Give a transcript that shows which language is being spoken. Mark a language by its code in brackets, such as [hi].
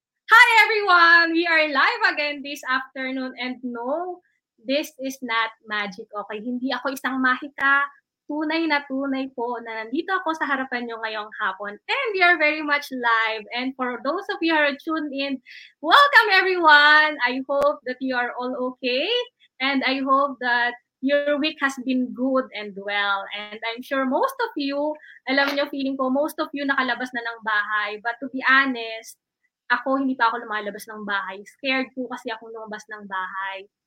[en] Hi everyone, we are live again this afternoon, and no, this is not magic, okay? [tl] Hindi ako isang mahika, tunay po na nandito ako sa harapan nyo ngayong hapon, [en] and we are very much live. And for those of you who are tuned in, welcome everyone. I hope that you are all okay, and I hope that your week has been good and well. And I'm sure most of you, [tl] alam niyo, [en] feeling ko, most of you [tl] nakalabas na ng bahay. [en] But to be honest, [tl] ako, hindi pa ako lumalabas ng bahay. Scared po kasi ako lumabas ng bahay.